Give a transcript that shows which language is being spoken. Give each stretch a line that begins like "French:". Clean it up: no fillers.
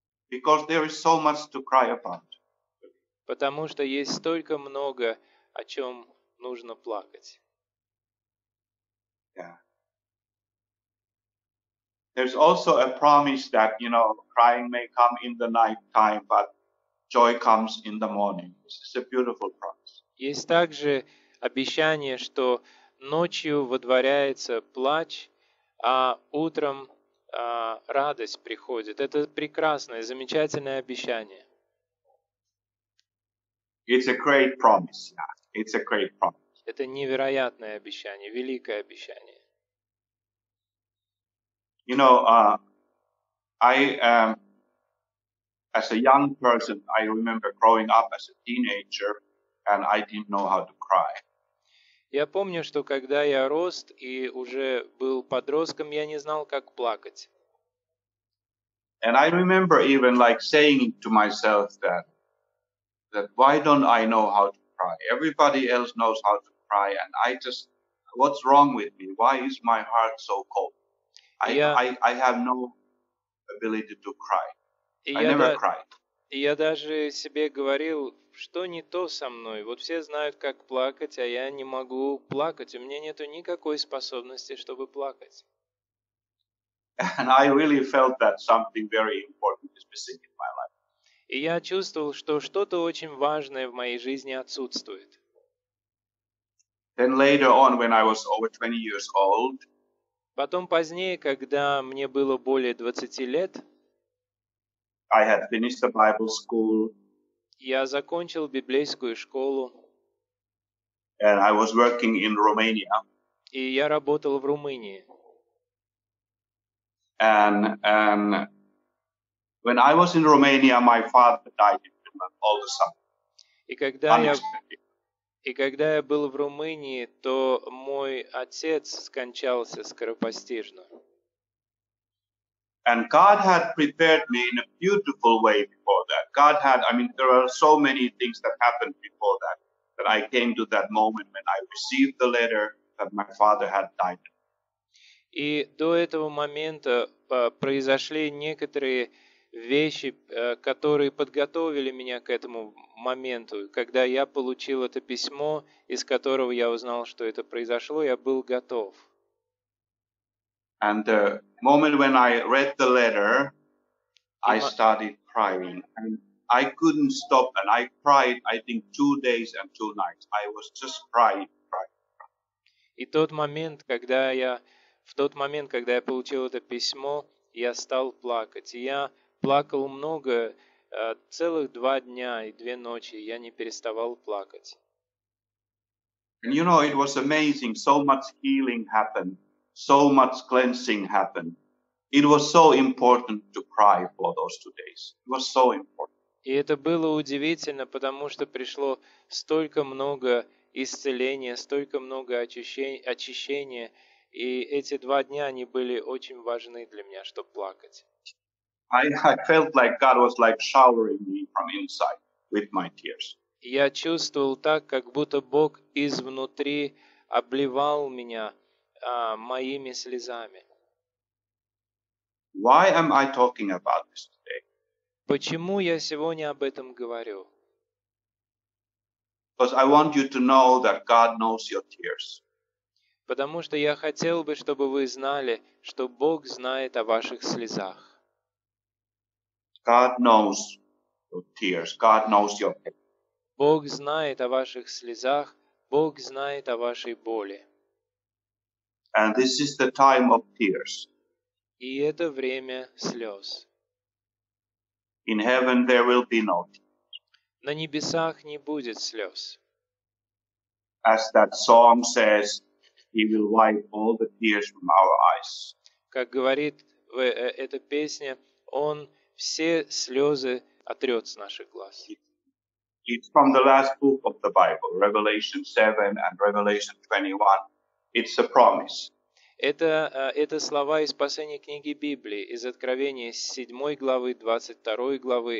English: Because there is so much to cry about.
Russian: Потому что есть столько много, о чем нужно плакать.
English: Yeah. There's also a promise that, crying may come in the night time, but joy comes in the morning. This is a beautiful promise.
Russian: Есть также обещание, что ночью водворяется плач, а утром радость приходит. Это прекрасное, замечательное обещание.
English: It's a great promise. Yeah. It's a great promise.
Russian: Это невероятное обещание, великое обещание.
English: You know, as a young person, I remember growing up as a teenager, and I didn't know how to cry.
Russian: Я помню, что когда я рос и уже был подростком, я не знал, как плакать.
English: And I remember even like saying to myself that why don't I know how to cry? Everybody else knows how to cry, and I just, what's wrong with me? Why is my heart so cold? I have no ability to cry.
Russian: И я даже себе говорил, что не то со мной. Вот все знают, как плакать, а я не могу плакать. У меня нету никакой способности, чтобы плакать.
English: And I really felt that something very important is missing in my life.
Russian: И я чувствовал, что что-то очень важное в моей жизни отсутствует.
English: Then later on, when I was over 20 years old,
Russian: потом позднее, когда мне было более 20 лет,
English: I had finished the Bible school.
Russian: Я закончил библейскую школу.
English: And I was working in Romania.
Russian: И я работал в Румынии.
English: And when I was in Romania, my father died in Finland all of a sudden.
Russian: И когда я был в Румынии, то мой отец скончался скоропостижно.
English: And God had prepared me in a beautiful way before that. God had, I mean, there are so many things that happened before that, that I came to that moment when I received the letter that my father had died.
Russian: И до этого момента произошли некоторые вещи, которые подготовили меня к этому моменту. Когда я получил это письмо, из которого я узнал, что это произошло, я был готов.
English: And the moment when I read the letter, I started crying. And I couldn't stop, and I cried, I think, 2 days and 2 nights. I was just crying.
Russian: И в тот момент, когда я получил это письмо, я стал плакать. И я плакал много, целых 2 дня и 2 ночи. Я не переставал плакать.
English: And you know, it was amazing. So much healing happened. So much cleansing happened. It was so important to cry for those 2 days. It was so important.
Russian: И это было удивительно, потому что пришло столько много исцеления, столько много очищения, и эти 2 дня, они были очень важны для меня, чтобы плакать.
English: I felt like God was like showering me from inside with my tears.
Russian: Я чувствовал так, как будто Бог изнутри обливал меня моими слезами.
English: Why am I talking about this today?
Russian: Почему я сегодня об этом говорю?
English: Because I want you to know that God knows your tears.
Russian: Потому что я хотел бы, чтобы вы знали, что Бог знает о ваших слезах.
English: God knows your tears. God knows your pain.
Russian: Бог знает о ваших слезах. Бог знает о вашей боли.
English: And this is the time of tears.
Russian: И это время слез.
English: In heaven there will be no tears.
Russian: На небесах не будет слез.
English: As that song says, He will wipe all the tears from our eyes.
Russian: Как говорит эта песня, Он все слезы отрет с наших глаз.
English: It's from the last book of the Bible, Revelation 7 and Revelation 21. It's a promise.
Russian: Это слова из последней книги Библии, из Откровения 7 главы, 22 главы.